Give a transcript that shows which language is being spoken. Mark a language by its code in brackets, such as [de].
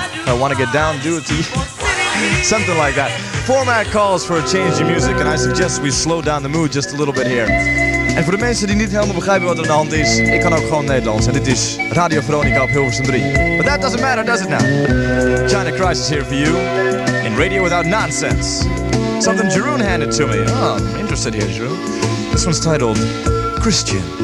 [en] I want to get down, do it to you. Something like that. Format calls for a change in music, and I suggest we slow down the mood just a little bit here. [nl] En voor de mensen die niet helemaal begrijpen wat er aan de hand is, ik kan ook gewoon Nederlands. En dit is Radio Veronica op Hilversum 3. [en] But that doesn't matter, does it now? China Crisis here for you. In Radio Without Nonsense. Something Jeroen handed to me. Oh, I'm interested here, Jeroen. This one's titled Christian.